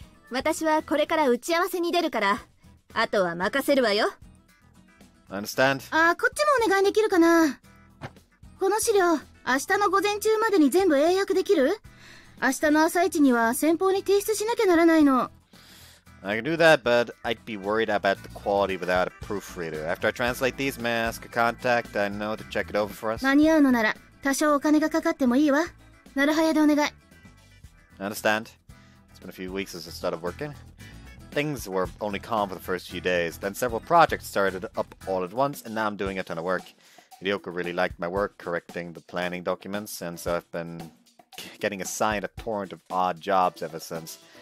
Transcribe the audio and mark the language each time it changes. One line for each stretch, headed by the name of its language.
Japanese: 私はこれから打ち合わせに出るから、あとは任せるわよ。
English: I understand.
Japanese: あ、こっちもお願いできるかな。この資料、明日の午前中までに全部英訳できる？明日の朝一には先方に提出しなきゃならないの。
English: I can do that, but I'd be worried about the quality without a proofreader. After I translate these, may I ask a contact I know to check it over for us?
Japanese: 間に合うのなら、多少お金がかかってもいいわ。なるはやでお願い。
English: Understand. It's been a few weeks since I started working. Things were only calm for the first few days. Then several projects started up all at once, and now I'm doing a ton of work. Ryoko really liked my work, correcting the planning documents, and so I've been getting assigned a torrent of odd jobs ever since.